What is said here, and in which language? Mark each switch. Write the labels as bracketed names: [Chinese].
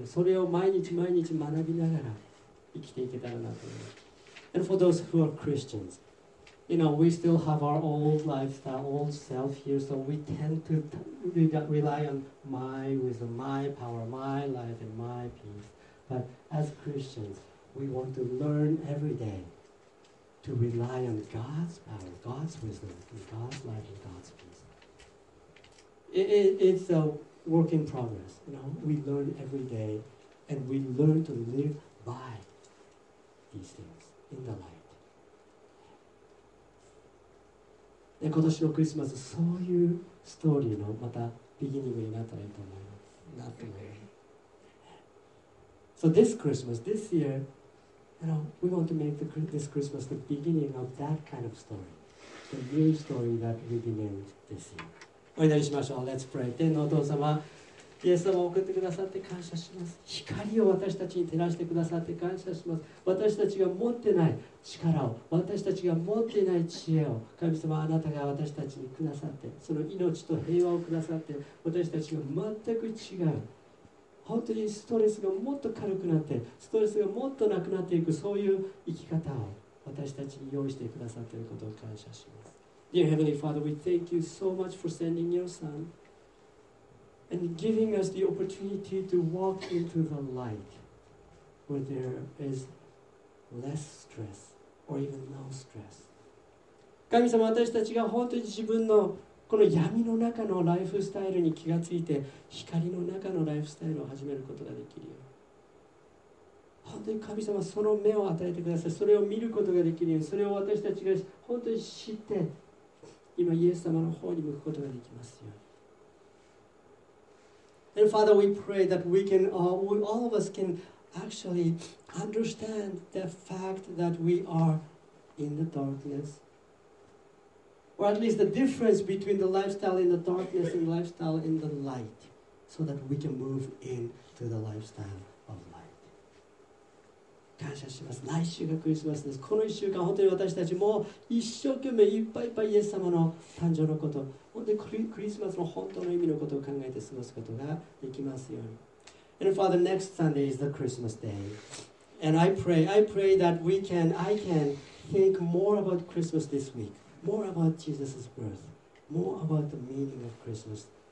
[Japanese] それを毎日毎日学びながら生きていけたらなと思います。 [English] And for those who are Christians, you know, we still have our old life, that old self here, so we tend to rely on my wisdom, my power, my life, and my peace. But as Christians, we want to learn every day. To rely on God's power, God's wisdom, and God's life, and God's peace. It's a work in progress. You know, we learn every day, and we learn to live by these things in the light. [Japanese] で、今年のクリスマス、そういうストーリーのまた beginning になったらいいと思います。なってね。 [English] So this Christmas, this year,You know, we want to make this Christmas the beginning of that kind of story. The new story that we begin this year. [Japanese] お祈りしましょう。 [English] Let's pray. [Japanese] 天のお父様、イエス様を送ってくださって感謝します。光を私たちに照らしてくださって感謝します。私たちが持ってない力を、私たちが持ってない知恵を、神様あなたが私たちにくださって、その命と平和をくださって、私たちが全く違う。本当にストレスがもっと軽くなって、ストレスがもっとなくなっていく、そういう生き方を私たちに用意してくださっていることを感謝します。 [English] Dear Heavenly Father, we thank you so much for sending your Son and giving us the opportunity to walk into the light where there is less stress or even no stress. [Japanese] 神様、私たちが本当に自分のこの闇の中のライフスタイルに気がついて光の中のライフスタイルを始めることができるよ。本当に神様その目を与えてください。それを見ることができるよ。それを私たちが本当に知って今イエス様の方に向くことができますよ。 [English] And Father, we pray that we can, all of us can actually understand the fact that we are in the darkness. Or at least the difference between the lifestyle in the darkness and the lifestyle in the light, so that we can move into the lifestyle of light. [Japanese] 感謝します。来週がクリスマスです。この1週間、本当に私たちも一生懸命いっぱいいっぱいイエス様の誕生のこと、本当にクリスマスの本当の意味のことを考えて過ごすことができますように。 [English] And Father, next Sunday is the Christmas day. And I pray that I can think more about Christmas this week.More about Jesus' birth, more about the meaning of Christmas